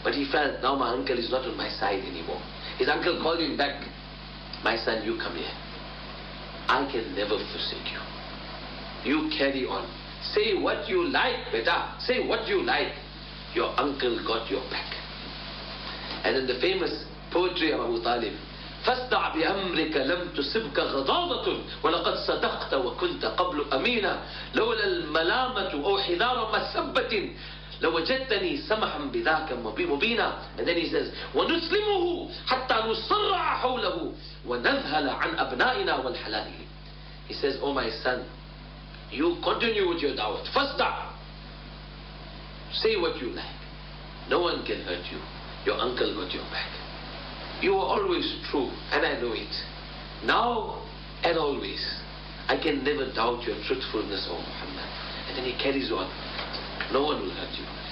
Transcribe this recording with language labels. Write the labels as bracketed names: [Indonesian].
[English] But he felt, now my uncle is not on my side anymore. His uncle called him back, my son, you come here. I can never forsake you. You carry on. Say what you like, beta. Say what you like. Your uncle got your back. And in the famous poetry of Abu Talib, [Arabic] فَاسْدَعْ بِأَمْرِكَ لَمْ تُسِبْكَ غَضَاضَةٌ وَلَقَدْ صَدَقْتَ وَكُنْتَ قَبْلُ أَمِينَ لَوْلَا الْمَلَامَةُ أَوْ حِذَارَ مَسَبَّةٍ لَوَجَدْتَنِي سَمَحًا بِذَاكَ مُبِينًا. [English] And then he says, [Arabic] وَنُسْلِمُهُ حَتَّى نُصَرَّعَ حَوْلَهُ وَنَذْهَلَ عَنْ أَبْنَائِنَا وَالْحَلَالِهِ. [English] He says, oh my son, you continue with your da'wah. فَاسْدَعْ. Say what you like. No one can hurt you. Your uncle got your back. You are always true, and I know it. Now and always, I can never doubt your truthfulness, O Muhammad. And then he carries on. No one will hurt you.